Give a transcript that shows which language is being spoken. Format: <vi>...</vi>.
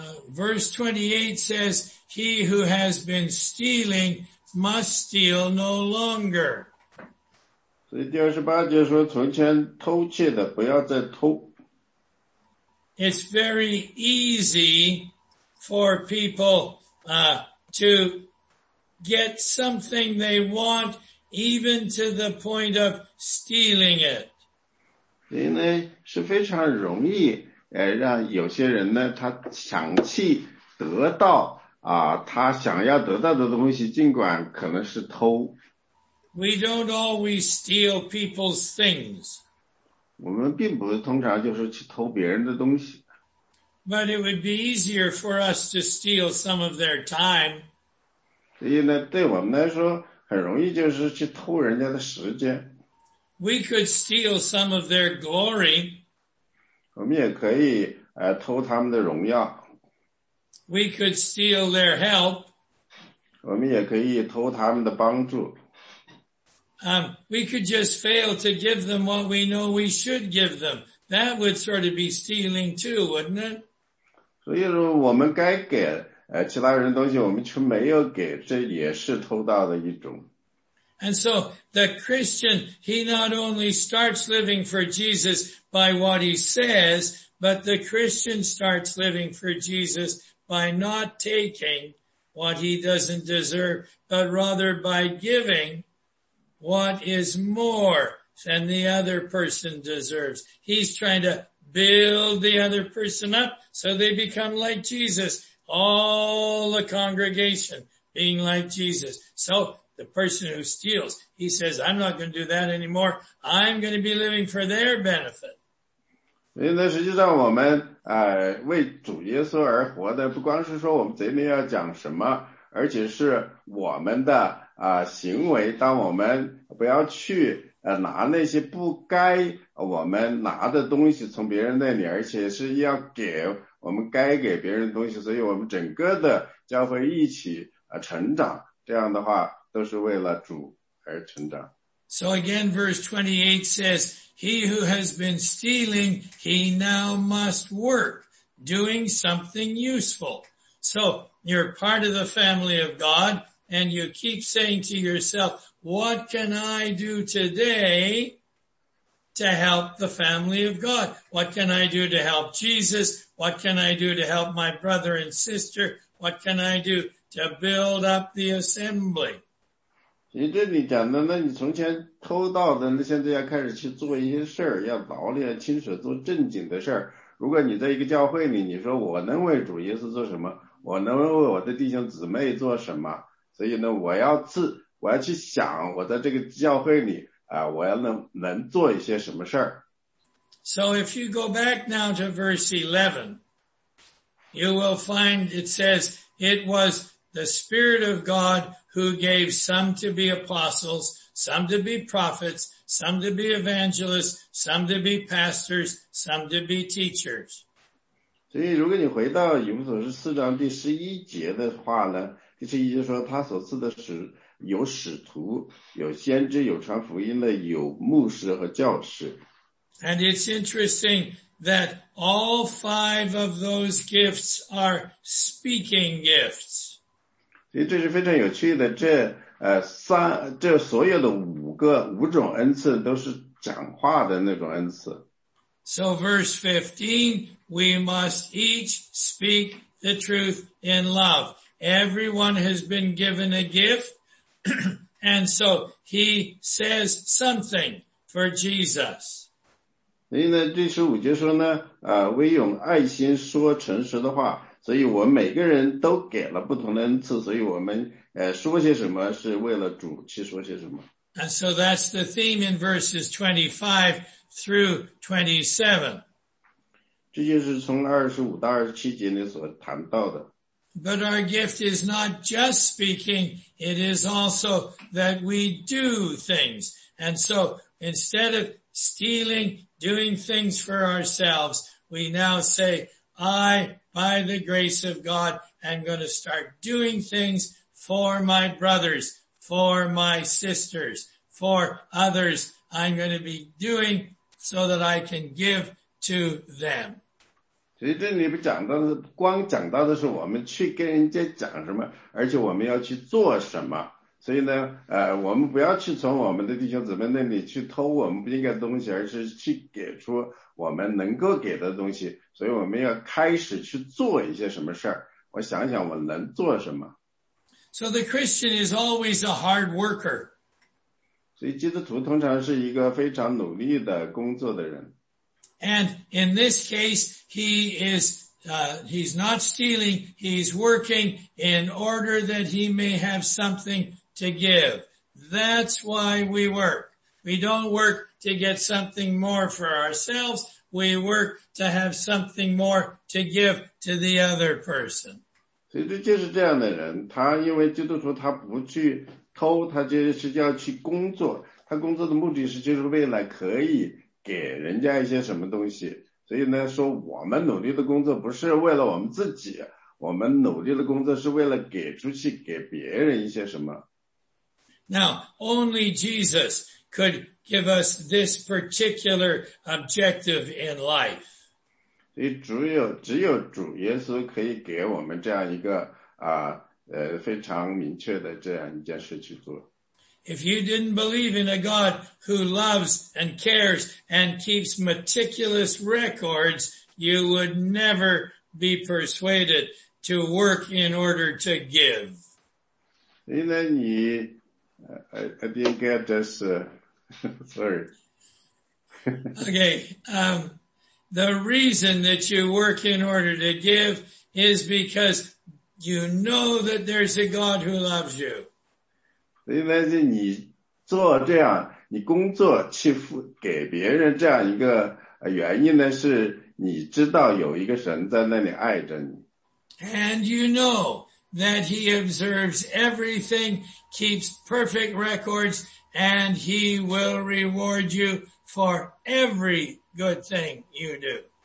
<en>Verse 28 says, he who has been stealing must steal no longer.</en> <zh>所以第28节说从前偷窃的不要再偷。</zh> <en>It's very easy for people to get something they want even to the point of stealing it.</en> <zh>所以呢是非常容易让有些人呢他想去得到他想要得到的东西，尽管可能是偷。</zh> <en>We don't always steal people's things.</en> <zh>我们并不通常就是去偷别人的东西。</zh> <en>But it would be easier for us to steal some of their time.</en> <zh>所以呢，对我们来说，很容易就是去偷人家的时间。</zh> <en>We could steal some of their glory.</en> <zh>我们也可以偷他们的荣耀。</zh> <en>We could steal their help.</en> <zh>我们也可以偷他们的帮助。</zh> <en>We could just fail to give them what we know we should give them. That would sort of be stealing too, wouldn't it?</en> <zh>所以说我们该给其他人东西我们却没有给，这也是偷盗的一种。</zh> <en>And so the Christian, he not only starts living for Jesus by what he says, but the Christian starts living for Jesus by not taking what he doesn't deserve, but rather by giving what is more than the other person deserves. He's trying to build the other person up so they become like Jesus, all the congregation being like Jesus. So the person who steals, he says, I'm not going to do that anymore. I'm going to be living for their benefit.</en> <zh>因为实际上我们为主耶稣而活的，不光是说我们嘴里要讲什么，而且是我们的行为，当我们不要去拿那些不该我们拿的东西从别人那里，而且是要给我们该给别人的东西，所以我们整个的教会一起成长，这样的话都是为了主而成长。</zh> <en>So again, verse 28 says, he who has been stealing, he now must work, doing something useful. So you're part of the family of God, and you keep saying to yourself, what can I do today to help the family of God? What can I do to help Jesus? What can I do to help my brother and sister? What can I do to build up the assembly?</en> <zh>其实你讲的，那你从前偷盗的，那现在要开始去做一些事儿，要劳力，要亲手做正经的事儿。如果你在一个教会里，你说我能为主耶稣做什么？我能为我的弟兄姊妹做什么？所以呢，我要去想，我在这个教会里啊，我要能做一些什么事儿。</zh> <en>So if you go back now to verse 11, you will find it says it was the Spirit of God who gave some to be apostles, some to be prophets, some to be evangelists, some to be pastors, some to be teachers.</en> <zh>所以如果你回到以弗所书四章第十一节的话呢，第十一节说他所赐的是有使徒，有先知，有传福音的，有牧师和教师。</zh> <en>And it's interesting that all five of those gifts are speaking gifts.</en> <zh>所以这是非常有趣的，这所有的五种恩赐都是讲话的那种恩赐。</zh> <en>So verse 15, we must each speak the truth in love. Everyone has been given a gift, and so he says something for Jesus.</en> <zh>所以呢，第十五节说呢，唯用爱心说诚实的话，所以我们每个人都给了不同的恩赐，所以我们说些什么是为了主去说些什么。</zh> <en>And so that's the theme in verses 25 through 27.</en> <zh>这就是从25到27节里所谈到的。</zh> <en>But our gift is not just speaking, it is also that we do things. And so instead of stealing, doing things for ourselves, we now say, I, by the grace of God, am going to start doing things for my brothers, for my sisters, for others. I'm going to be doing so that I can give to them.</en> <zh>所以这里不讲到的是，光讲到的是我们去跟人家讲什么，而且我们要去做什么。所以呢，我们不要去从我们的弟兄姊妹那里去偷我们不应该的东西，而是去给出我们能够给的东西。所以我们要开始去做一些什么事儿，我想想我能做什么。</zh> <en>So the Christian is always a hard worker.</en> <zh>所以基督徒通常是一个非常努力的工作的人。</zh> <en>And in this case, he's not stealing, he's working in order that he may have something to give. That's why we work. We don't work to get something more for ourselves, we work to have something more to give to the other person.</en> <zh>所以这就是这样的人，他因为基督徒他不去偷，他就是要去工作，他工作的目的是就是为了可以给人家一些什么东西。所以呢，说我们努力的工作不是为了我们自己，我们努力的工作是为了给出去给别人一些什么。</zh> <en>Now, only Jesus could give us this particular objective in life.</en> <zh>所以只有主耶稣可以给我们这样一个非常明确的这样一件事去做。</zh> <en>If you didn't believe in a God who loves and cares and keeps meticulous records, you would never be persuaded to work in order to give. And then you, I didn't get this, sorry. Okay, the reason that you work in order to give is because you know that there's a God who loves you.</en> <zh>所以呢，是你做这样，你工作去付给别人这样一个原因呢，是你知道有一个神在那里爱着你。</zh> <en>And you know that he observes everything, keeps perfect records, and he will reward you for every good thing you do.</en>